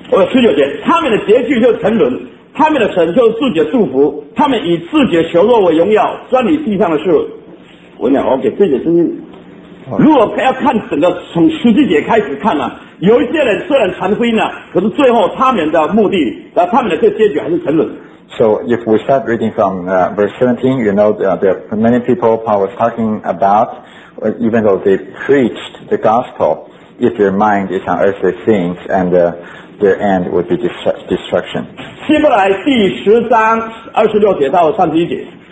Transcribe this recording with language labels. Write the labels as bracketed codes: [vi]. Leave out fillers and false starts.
[zh] 十九节，他们的结局就是沉沦，他们的神就是自己的祝福，他们以自己的血肉为荣耀，专理地上的事。我讲 OK， 这些圣经，如果要看整个从十七节开始看呢、啊，有一些人虽然传福音了，可是最后他们的目的，他们的这个结局还是沉沦。 [en] So if we start reading from verse 17, you know there are many people Paul was talking about, even though they preached the gospel. If their mind is on earthly things and their end would be destruction. [zh] 希伯来第十章二十六节到三十一节。